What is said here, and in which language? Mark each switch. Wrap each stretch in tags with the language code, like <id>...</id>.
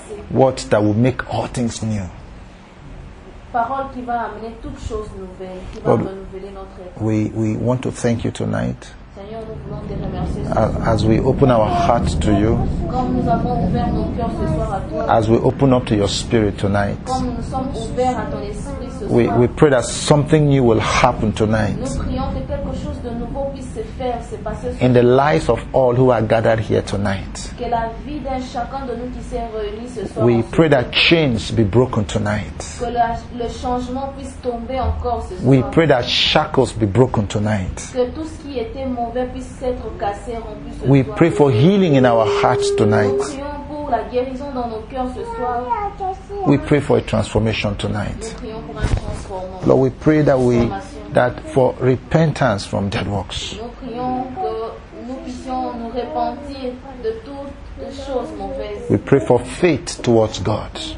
<en>Words that will make all things new.</en> <fr>Parole qui va amener toute chose nouvelle, qui va renouveler notre être.</fr> <en>We want to thank you tonight.</en> <fr>Seigneur, nous voulons te remercier.</fr> <en>As we open our hearts to you.</en> <fr>Comme nous avons ouvert nos cœurs ce soir à toi.</fr> <en>As we open up to your spirit tonight.</en> <fr>Comme nous sommes ouverts à ton esprit ce soir.</fr> <en>We pray that something new will happen tonight.</en> <fr>Nous prions que quelque chose de nouveau puisse se faire, se passer.</fr> <en>In the lives of all who are gathered here tonight.</en> <fr>Que la vie d'un chacun de nous qui s'est réuni ce soir.</fr> <en>We pray that chains be broken tonight.</en> <fr>Que le changement puisse tomber encore ce soir.</fr> <en>We pray that shackles be broken tonight.</en> <fr>Que tout ce qui était mauvais puisse être cassé, rompu ce soir.</fr> <en>We pray for healing in our hearts tonight.</en> <fr>Nous prions pour pour la guérison dans nos cœurs ce soir.</fr> <en>We pray for a transformation tonight. Lord, we pray that we that for repentance from dead works.</en> <fr>Nous prions que nous puissions nous repentir de toutes choses mauvaises.</fr> <en>We pray for faith towards God.</en>